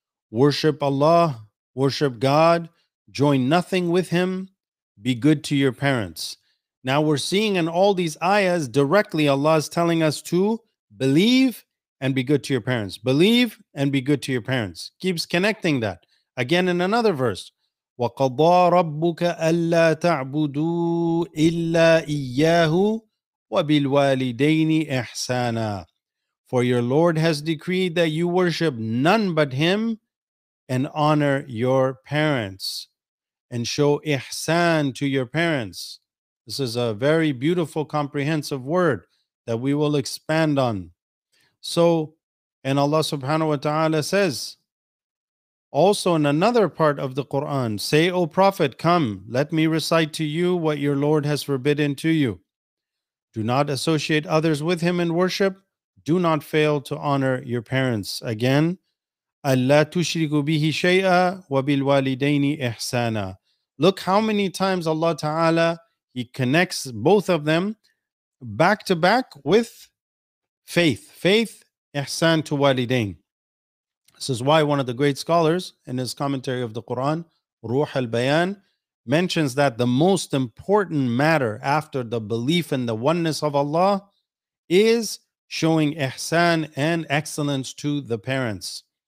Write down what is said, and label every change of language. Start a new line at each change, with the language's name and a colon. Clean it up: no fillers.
English: Worship Allah, worship God, join nothing with Him, be good to your parents. Now we're seeing in all these ayahs directly Allah is telling us to believe and be good to your parents. Believe and be good to your parents. Keeps connecting that. Again in another verse,
Arabic: وَقَضَى رَبُّكَ أَلَّا تَعْبُدُوا إِلَّا إِيَّاهُ وَبِالْوَالِدَيْنِ إِحْسَانًا.
English: For your Lord has decreed that you worship none but Him and honor your parents and show ihsan to your parents. This is a very beautiful, comprehensive word that we will expand on. So, and Allah subhanahu wa ta'ala says, also in another part of the Quran, say, O Prophet, come, let me recite to you what your Lord has forbidden to you. Do not associate others with Him in worship. Do not fail to honor your parents.
Arabic: Again, أَلَّا تُشْرِكُ بِهِ شَيْئًا وَبِالْوَالِدَيْنِ إِحْسَانًا.
English: Look how many times Allah Ta'ala, He connects both of them back to back with faith. Faith, ihsan to walidain. This is why one of the great scholars in his commentary of the Quran, Ruh al-Bayan, mentions that the most important matter after the belief in the oneness of Allah is showing ihsan and excellence to the parents.